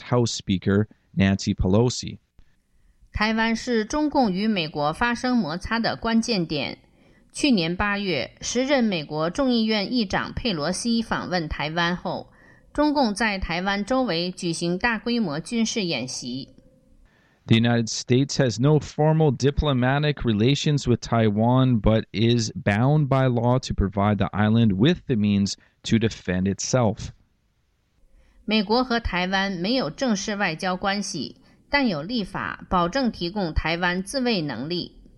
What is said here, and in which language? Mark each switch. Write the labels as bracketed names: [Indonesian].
[English] House Speaker Nancy Pelosi. [Chinese] 台湾是中共与美国发生摩擦的关键点。去年八月，时任美国众议院议长佩罗西访问台湾后，中共在台湾周围举行大规模军事演习。 [English] The United States has no formal diplomatic relations with Taiwan, but is bound by law to provide the island with the means to defend itself. [Chinese] 美国和台湾没有正式外交关系，但有立法保证提供台湾自卫能力。